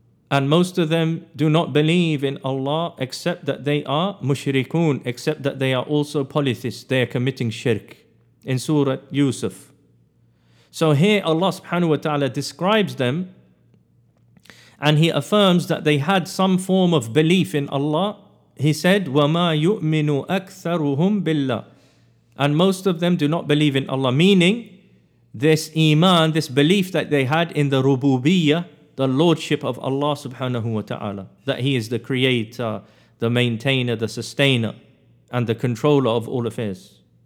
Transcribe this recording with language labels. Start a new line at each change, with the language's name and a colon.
English: And most of them do not believe in Allah except that they are mushrikun, except that they are also polytheists. They are committing shirk in Surah Yusuf. So here Allah subhanahu wa ta'ala describes them, and He affirms that they had some form of belief in Allah. He said,
Arabic: وَمَا يُؤْمِنُ أَكْثَرُهُمْ بِاللَّهِ.
English: And most of them do not believe in Allah, meaning this iman, this belief that they had in the rububiyyah, the Lordship of Allah subhanahu wa ta'ala, that He is the creator, the maintainer, the sustainer, and the controller of all affairs.